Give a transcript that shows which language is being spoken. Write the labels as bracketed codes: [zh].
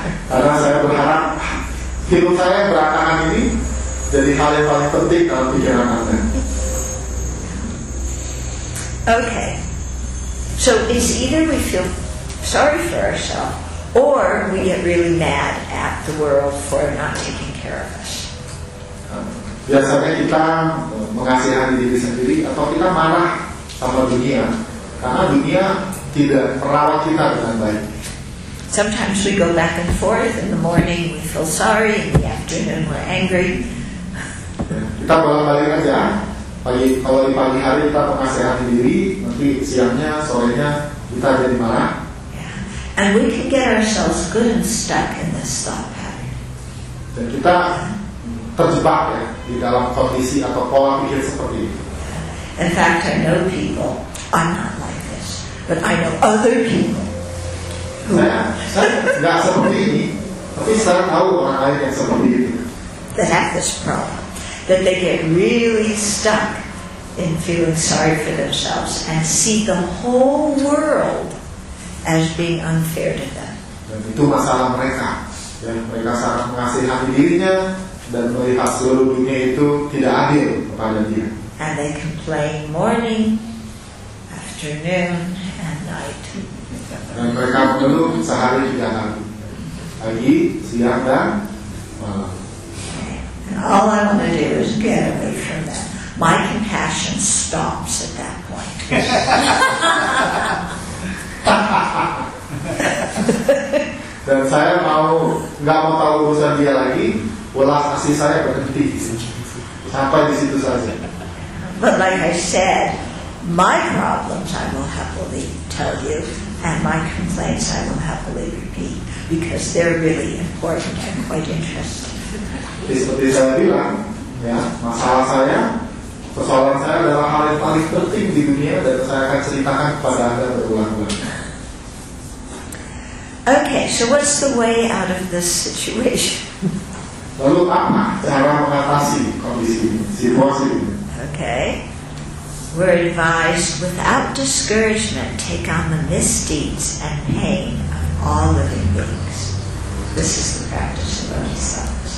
[id] Karena saya berharap hidup saya berantakan ini jadi hal yang paling penting dalam pikiran Anda. [en] Okay. So it's either we feel sorry for ourselves or we get really mad at the world for not taking care of us. [id] Biasanya kita mengasihani diri sendiri atau kita marah sama dunia karena dunia tidak merawat kita dengan baik. [en] Sometimes we go back and forth. In the morning we feel sorry, in the afternoon we're angry. [id] Kita bolak-balik aja. Pagi, kalau di pagi hari kita mengasihani diri, nanti siangnya, sorenya kita jadi marah. [en] Yeah. And we can get ourselves good and stuck in this thought pattern. [id] Dan kita terjebak ya di dalam kondisi atau pola pikir seperti ini. [en] In fact, I know people. I'm not like this, but I know other people. [id] Saya nggak seperti ini, tapi saya tahu orang lain yang seperti ini. [en] That have this problem. That they get really stuck in feeling sorry for themselves and see the whole world as being unfair to them. [id] Dan itu masalah mereka, yang mereka sangat mengasihani dirinya dan melihat seluruh dunia itu tidak adil kepada dia. [en] And they complain morning, afternoon, and night. [id] Dan mereka mengeluh sehari tiga hari, pagi, siang, dan malam. [en] All I want to do is get away from that. My compassion stops at that point. [id] Dan saya mau nggak mau tahu urusan dia lagi. Welas asih saya berhenti sampai di situ saja. [en] But like I said, my problems I will happily tell you, and my complaints I will happily repeat because they're really important and quite interesting. [id] Seperti saya bilang, ya, masalah saya, persoalan saya adalah hal yang paling penting di dunia dan saya akan ceritakan kepada Anda berulang-ulang. [en] Okay, so what's the way out of this situation? [id] Lalu apa cara mengatasi kondisi situasi ini? [en] Okay. We're advised, without discouragement, take on the misdeeds and pain of all living beings. This is the practice of Bodhisattva.